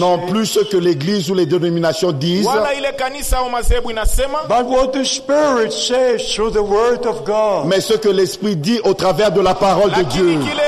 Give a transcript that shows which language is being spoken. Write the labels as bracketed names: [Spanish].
[French] Non plus ce que l'église ou les dénominations disent. [English] But what the Spirit says through the word of God. [French] Mais ce que l'Esprit dit au travers de la parole de Dieu.